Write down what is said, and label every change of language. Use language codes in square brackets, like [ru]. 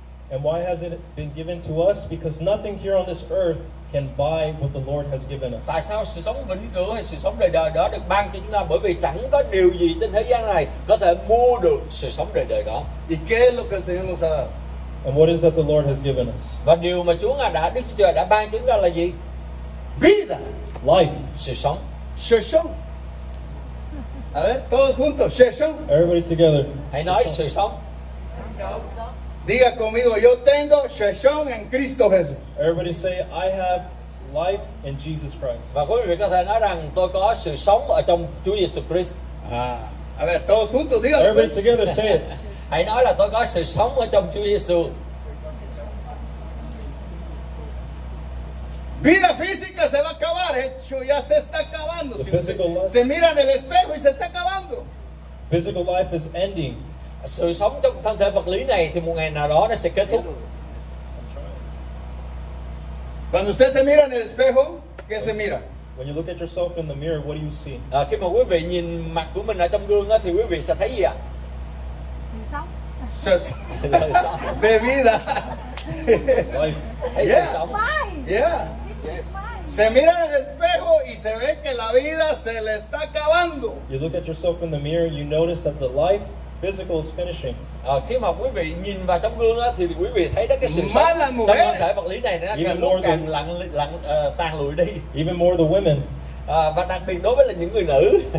[en] And why has it been given to us? Because nothing here on this earth can buy what the Lord has given us. [vi] Tại sao sự sống vĩnh cửu hay sự sống đời đời đó được ban cho chúng ta? Bởi vì chẳng có điều gì trên thế gian này có thể mua được sự sống đời đời đó. [es] Y qué es lo que el Señor nos ha dado? [en] And what is that the Lord has given us? [vi] Và điều mà Chúa ngài đã Đức Chúa Trời đã ban chúng ta là gì? [es] Vida. [en] Life. [vi] Sự sống. Sự sống. [es] A ver, todos juntos, [vi] sự sống. [en] Everybody together. [vi] Hãy nói sự sống. [es] Diga conmigo, yo tengo sự sống en Cristo Jesús. [en] Everybody say, I have life in Jesus Christ. [vi] Và quý vị có thể nói rằng tôi có sự sống ở trong Chúa Jesus Christ. [es] À. A ver, todos juntos, diga. [en] Everybody together, say it. [vi] Hãy nói là tôi có sự sống ở trong Chúa Giêsu. [es] Vida física se va a acabar, hecho ya se está acabando. Se mira en el espejo y se está acabando. [en] Physical life is ending. [vi] Sự sống trong thân thể vật lý này thì một ngày nào đó nó sẽ kết thúc. [es] Cuando usted se mira en el espejo, ¿qué se mira? [en] When you look at yourself in the mirror, what do you see? [vi] Khi mà quý vị nhìn mặt của mình ở trong gương á thì quý vị sẽ thấy gì ạ? Sống. Bebida. [en] Life. Yeah. Life. Yeah. [es] Se mira en el espejo y se ve que la vida se le está acabando. [en] You look at yourself in the mirror, you notice that the life, physical, is finishing. [vi] Khi mà quý vị nhìn vào trong gương á, thì quý vị thấy cái sự sống trong thân thể vật lý này nó càng lúc càng lặng lặng tàn lụi đi. [en] Even more the women. [vi] Và đặc biệt đối với là những người nữ.